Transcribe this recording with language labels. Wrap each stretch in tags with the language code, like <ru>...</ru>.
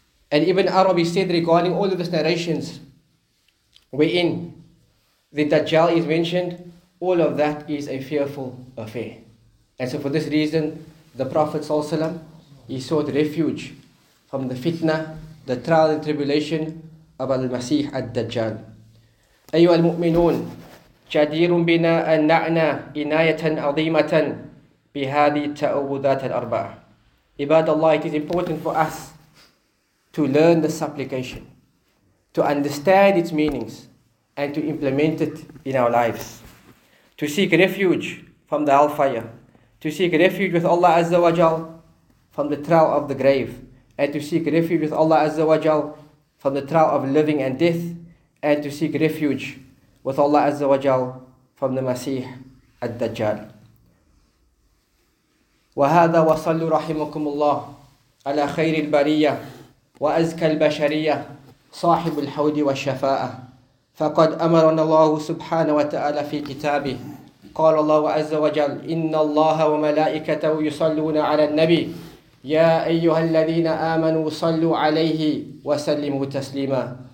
<en>And Ibn Arabi said regarding all of these narrations wherein the Dajjal is mentioned, all of that is a fearful affair. And so for this reason, the Prophet ﷺ, he sought refuge from the fitna, the trial and tribulation of Al-Masih Ad-Dajjal.</en> <ar>Ayyuha al-Mu'minun, جدير بنا أن نعنى عناية عظيمة بهذه التأوذات الأربعة. عباد الله,</ar> <en>it is important for us to learn the supplication, to understand its meanings, and to implement it in our lives. To seek refuge from the hellfire, to seek refuge with Allah Azza wa Jal from the trial of the grave, and to seek refuge with Allah Azza wa Jal from the trial of living and death, and to seek refuge with Allah Azza wa Jal from the Masih</en> <ar>الدجال. وهذا وصلوا رحمكم الله على خير البرية وأزكى البشرية صاحب الحوض والشفاءة. فقد أمرنا الله سبحانه وتعالى في كتابه قال الله عز وجل إن الله وملائكته يصلون على النبي يا أيها الذين آمنوا صلوا عليه وسلموا تسليما.</ar>